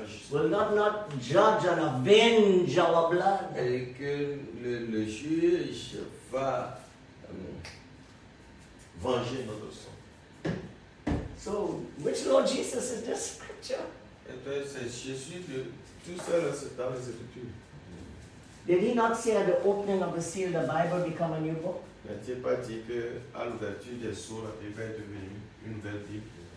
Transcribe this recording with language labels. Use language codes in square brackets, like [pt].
[en] Will not judge and avenge our blood? [fr] Et que le juge va venger notre sang. [en] So, which Lord Jesus is this scripture? [fr] Et bien, c'est Jésus de tout seul dans les Écritures. [en] Did he not say at the opening of the seal, the Bible become a new book? [fr] N'a-t-il pas dit que à l'ouverture des sceaux, la Bible est devenue une nouvelle Bible?